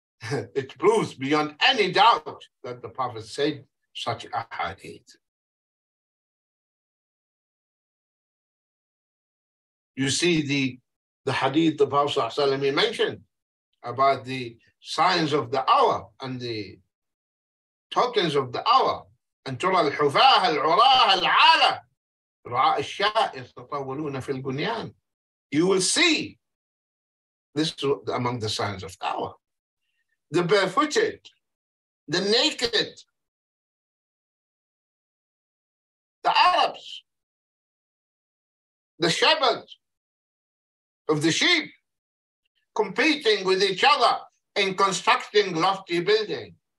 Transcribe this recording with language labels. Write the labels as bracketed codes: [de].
[en] it proves beyond any doubt that the Prophet said such a hadith. You see the hadith the Prophet ﷺ mentioned about the signs of the hour and the tokens of the hour. [ar] And ترى الحفاة العراة العالة رعاء الشاء يتطاولون في البنيان. [en] You will see this among the signs of the hour. The barefooted, the naked, the Arabs, the shepherds of the sheep, competing with each other in constructing lofty buildings.